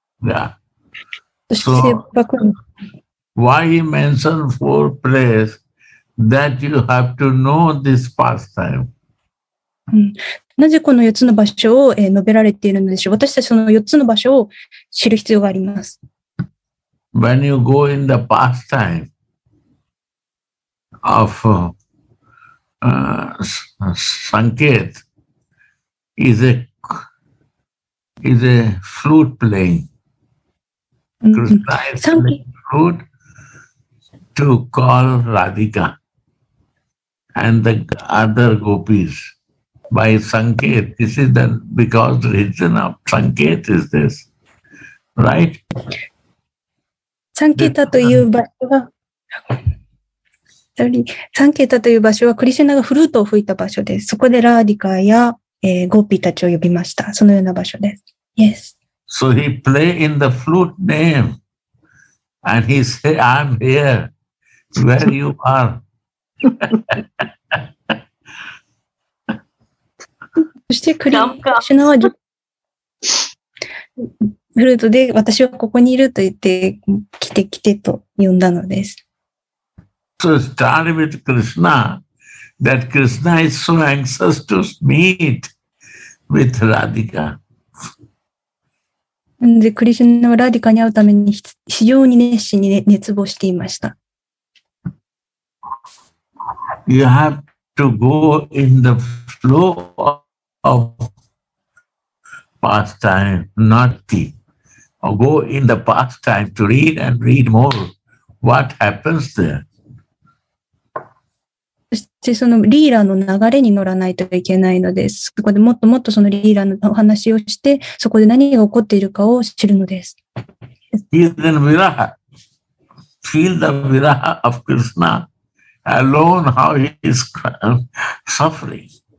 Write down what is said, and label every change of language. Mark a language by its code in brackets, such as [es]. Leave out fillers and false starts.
[en] Yeah. So, why he mentioned four places? That you have to know this pastime. [ja] なぜこの4つの場所を述べられているのでしょう？私たちその4つの場所を知る必要があります。 [en] When you go in the pastime,of Sanket is a flute playing. Krishna is playing flute to call Radhika and the other gopis by Sanket. This is the because reason of Sanket is this, right? [ja] Sanketa という場所は。サンケータという場所はクリシュナがフルートを吹いた場所です。そこでラーディカや、ゴーピーたちを呼びました。そのような場所です。Yes. [en] So he play in the flute name and he say, I'm here, where you are. [ja] そしてクリシュナはフルートで私はここにいると言って来て来てと呼んだのです。 [en] So start with Krishna, that Krishna is so anxious to meet with Radhika. And Krishna was [ja] Radhika に会うために非常に熱心に熱望していました。 [en] You have to go in the flow of pastime, not the. Or go in the pastime to read and read more. What happens there? [ja] そしてそのリーラの流れに乗らないといけないのです。そこでもっともっとそのリーラのお話をして、そこで何が起こっているかを知るのです。 [en] Feel the viraha. Feel the viraha of Krishna. Alone how he is suffering.